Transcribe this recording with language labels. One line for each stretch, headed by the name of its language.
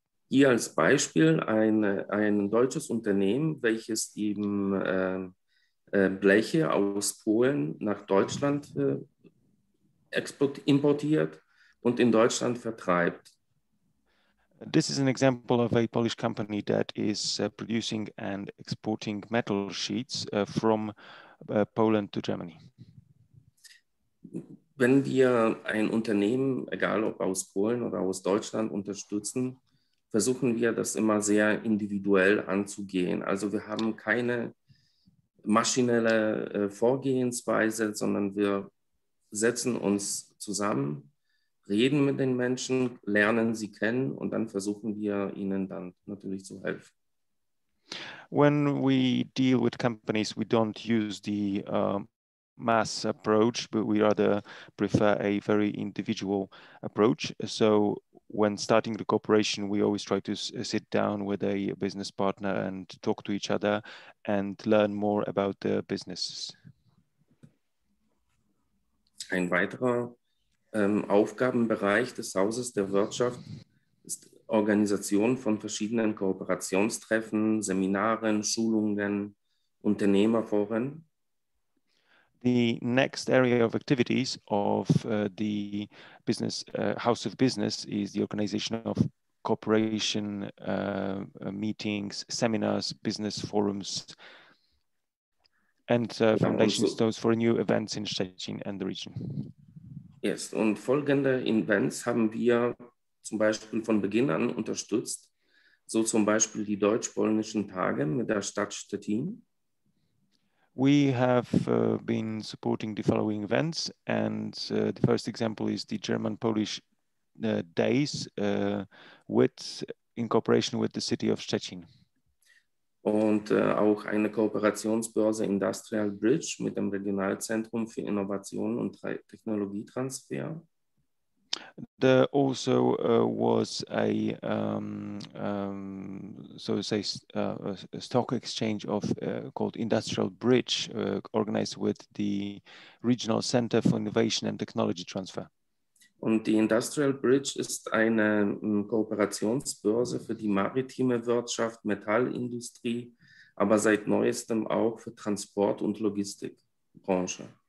German: Hier als Beispiel ein deutsches Unternehmen, welches eben Bleche aus Polen nach Deutschland importiert und in Deutschland vertreibt.
English: This is an example of a Polish company that is producing and exporting metal sheets from Poland to Germany.
German: Wenn wir ein Unternehmen, egal ob aus Polen oder aus Deutschland, unterstützen, versuchen wir das immer sehr individuell anzugehen. Also wir haben keine maschinelle Vorgehensweise, sondern wir setzen uns zusammen, reden mit den Menschen, lernen sie kennen und dann versuchen wir ihnen dann natürlich zu helfen.
English: When we deal with companies, we don't use the mass approach, but we rather prefer a very individual approach. So when starting the cooperation, we always try to sit down with a business partner and talk to each other and learn more about the businesses.
German: Ein weiterer Aufgabenbereich des Hauses der Wirtschaft ist Organisation von verschiedenen Kooperationstreffen, Seminaren, Schulungen, Unternehmerforen.
English: The next area of activities of the business house of business is the organization of cooperation meetings, seminars, business forums, and foundation stones for new events in Szczecin and the region.
German: Yes, und folgende Events haben wir zum Beispiel von Beginn an unterstützt, so zum Beispiel die deutsch-polnischen Tage mit der Stadt Stettin.
English: We have been supporting the following events, and the first example is the German-Polish days with in cooperation with the city of Szczecin.
German: Und auch eine Kooperationsbörse Industrial Bridge mit dem Regionalzentrum für Innovation und Technologietransfer.
English: There also was a a stock exchange of called Industrial Bridge organized with the Regional Center for Innovation and Technology Transfer.
German: Und die Industrial Bridge ist eine Kooperationsbörse für die maritime Wirtschaft, Metallindustrie, aber seit neuestem auch für Transport- und Logistikbranche.